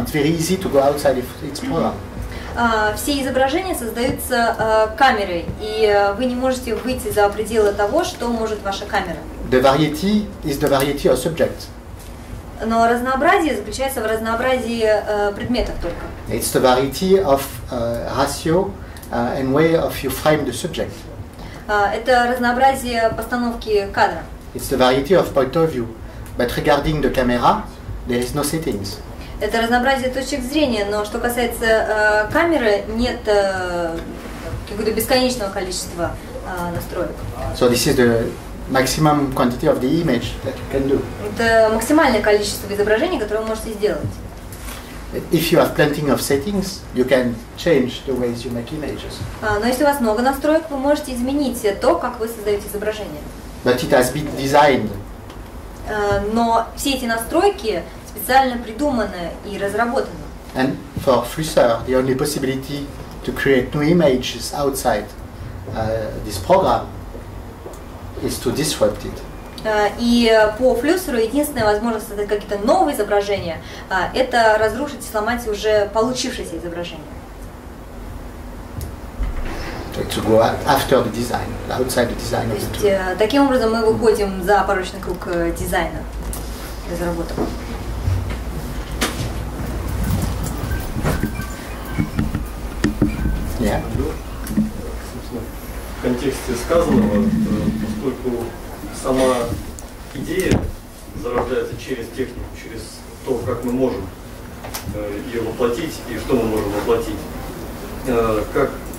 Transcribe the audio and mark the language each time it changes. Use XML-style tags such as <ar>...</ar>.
<en>It's very easy to go outside its program.</en> <ru>Все изображения создаются камерой, и вы не можете выйти за пределы того, что может ваша камера.</ru> <en>The variety is the variety of subjects.</en> <ru>Но разнообразие заключается в разнообразии предметов только.</ru> <en>It's the variety of ratio and way of you frame the subject.</en> <ru>Это разнообразие постановки кадра.</ru> <en>It's the variety of point of view, but regarding the camera, there is no settings.</en> <ru>Это разнообразие точек зрения, но что касается камеры, нет какого-то бесконечного количества настроек.</ru> <en>So this is the maximum quantity of the image that you can do.</en> <ru>Это максимальное количество изображений, которое вы можете сделать.</ru> <en>If you have plenty of settings, you can change the ways you make images.</en> <ru>Но если у вас много настроек, вы можете изменить то, как вы создаете изображение.</ru> <en>But it has been designed.</en> <ru>Но все эти настройки специально придуманы и разработаны.</ru> <en>And for Freezer, the only possibility to create new images outside this program is to disrupt it.</en> <ru>И по флюсеру единственная возможность создать какие-то новые изображения – это разрушить, сломать уже получившееся изображение.</ru> <en>To go after the design, outside the design.</en> <ru>То есть таким образом мы выходим за порочный круг дизайна, разработок. В контексте сказанного, поскольку сама идея зарождается через технику, через то, как мы можем ее воплотить и что мы можем воплотить, как,</ru>